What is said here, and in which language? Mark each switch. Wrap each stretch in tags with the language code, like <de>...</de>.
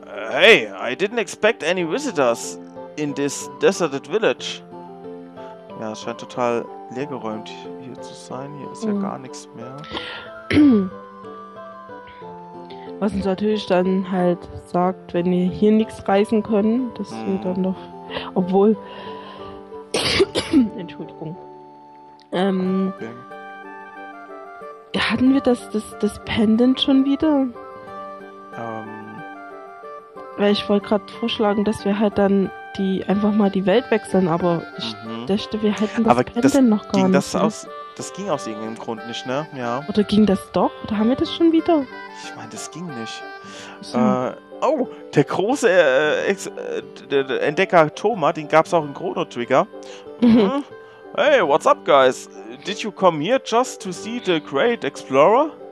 <en>Hey, I didn't expect any visitors in this deserted village.</en> <de>Ja, es scheint total leergeräumt hier zu sein. Hier ist ja gar nichts mehr. Was uns natürlich dann halt sagt, wenn wir hier nichts reißen können, dass wir dann noch... Obwohl... Entschuldigung. Okay. Hatten wir das Pendant schon wieder? Weil ich wollte gerade vorschlagen, dass wir halt dann die einfach mal die Welt wechseln, aber ich dachte, wir hätten das Pendant noch gar ging nicht. Das ging aus irgendeinem Grund nicht, ne? Ja. Oder ging das doch? Oder haben wir das schon wieder? Ich meine, das ging nicht. Der große Entdecker Toma, den gab es auch in Chrono Trigger.</de> <en>Hey, what's up, guys? Did you come here just to see the great explorer?</en>